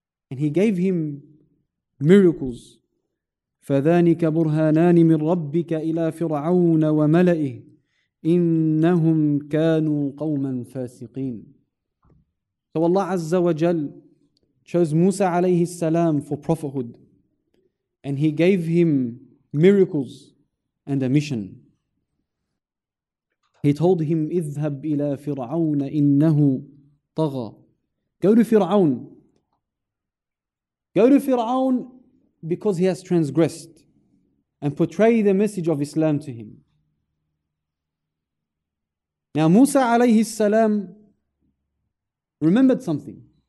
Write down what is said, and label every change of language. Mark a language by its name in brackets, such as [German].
[English] And he gave him miracles. [Arabic] فَذَانِكَ بُرْهَانَانِ مِنْ رَبِّكَ إِلَىٰ فِرْعَوْنَ وَمَلَئِهِ إِنَّهُمْ كَانُوا قَوْمًا فَاسِقِينَ. [English] So Allah Azza wa Jal chose Musa alayhi salam for prophethood. And he gave him miracles and a mission. He told him, [Arabic] اذهب إلى فرعون إنه طغى. [English] Go to Fir'aun. Go to Fir'aun because he has transgressed, and portray the message of Islam to him. Now Musa alayhi salam remembered something.